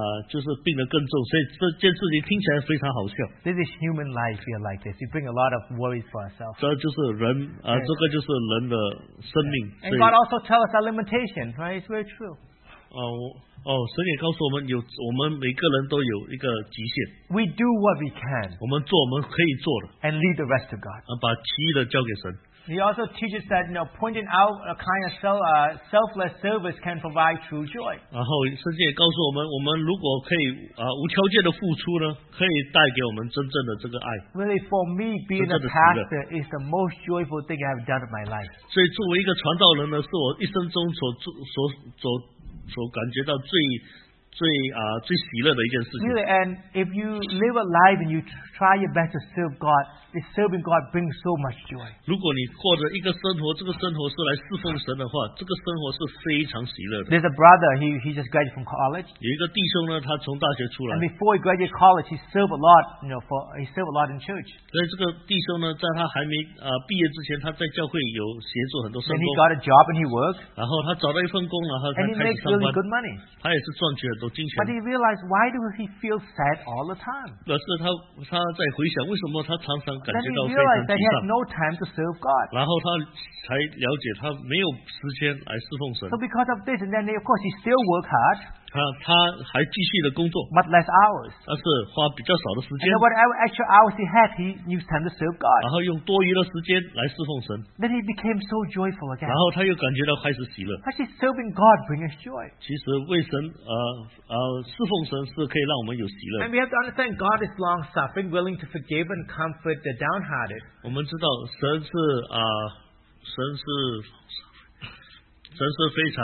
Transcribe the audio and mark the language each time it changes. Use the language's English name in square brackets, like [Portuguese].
[Chinese] 就是病得更重，所以这件事情听起来非常好笑。 [English] This is human life, you're like this. You bring a lot of worries for ourselves. [Chinese] 这就是人啊，这个就是人的生命。 [English] And God also tells us our limitation, right? It's very true. [Chinese] 神也告诉我们有，我们每个人都有一个极限。 [English] We do what we can. [Chinese] 我们做我们可以做的。 [English] And leave the rest to God. [Chinese] 把其余的交给神。 [English] He also teaches that, you know, pointing out a kind of selfless service can provide true joy. [Chinese] 然后圣经也告诉我们，我们如果可以无条件的付出呢，可以带给我们真正的这个爱。 [English] Really, for me, being a pastor is the most joyful thing I've done in my life. [Chinese] 所以作为一个传道人呢，是我一生中所感觉到最喜乐的一件事情。 [English] Really, and if you live a life and you try your best to serve God, this serving God brings so much joy. [Chinese] 如果你过着一个生活，这个生活是来侍奉神的话，这个生活是非常喜乐的。 [English] There's a brother, he just graduated from college. [Chinese] 有一个弟兄呢，他从大学出来。 [English] And before he graduated college, he served a lot, you know, he served a lot in church. [Chinese] 在这个弟兄呢，在他还没毕业之前，他在教会有协助很多圣 [English] And he got a job and he worked. [Chinese] 然后他找到一份工，然后他开始上班。 [English] And he makes really good money. [Chinese] 他也是赚取很多。 [English] But he realized, why do he feel sad all the time? [Chinese] 可是他在回想，为什么他常常感觉到非常沮 [English] Then he realized that he has no time to serve God. [Chinese] 然后他才了解他没有时间来侍奉神。 [English] So because of this, and then of course he still work hard. [Chinese] 他还继续的工作。 [English] But less hours. [Chinese] 但是花比较少的时间。 [English] And then whatever extra hours he had, he used time to serve God. [Chinese] 然后用多余的时间来侍奉神。 [English] Then he became so joyful again. [Chinese] 然后他又感觉到开始喜乐。 [English] Actually, serving God brings us joy. [Chinese] 其实为神侍奉神是可以让我们有喜乐。 [English] And we have to understand God is long suffering, willing to forgive and comfort the downhearted. [Chinese] 我们知道神是神是非常